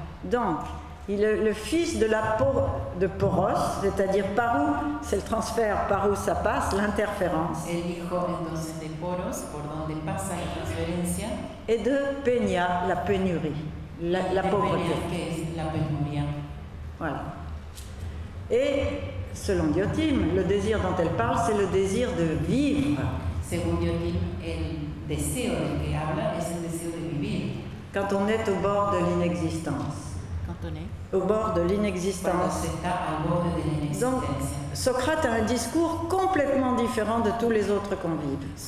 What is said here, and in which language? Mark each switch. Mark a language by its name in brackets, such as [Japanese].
[French] Donc, il est le fils de la de Poros, c'est-à-dire par où, c'est le transfert, par où ça passe, l'interférence. [Spanish] El hijo entonces de Poros, por donde pasa la transferencia. [French] Et de Peña, la pénurie, la pauvreté. [Spanish] Peña, que es la penuria. [French] Voilà. Et selon Diotime, le désir dont elle parle, c'est le désir de vivre. [Spanish] Según Diotime, el deseo del que habla es el deseo de vivir. [French] Quand on est au bord de l'inexistence. Au bord de l'inexistence. Donc, Socrate a un discours complètement différent de tous les autres convives.